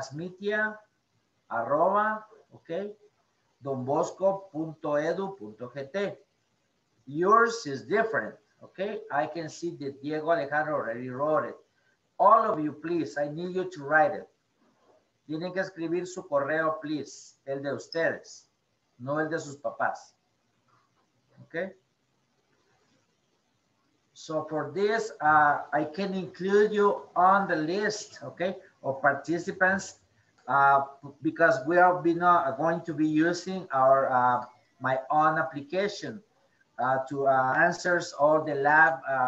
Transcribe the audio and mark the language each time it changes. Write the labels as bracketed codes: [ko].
[en] masmitia@, okay? donbosco.edu.gt. Yours is different, okay? I can see that Diego Alejandro already wrote it. All of you, please, I need you to write it. [es] Tienen que escribir su correo, please, el de ustedes, no el de sus papás, okay? [en] So for this, I can include you on the list, okay, of participants, because we are going to be using our My Own application to answer all the lab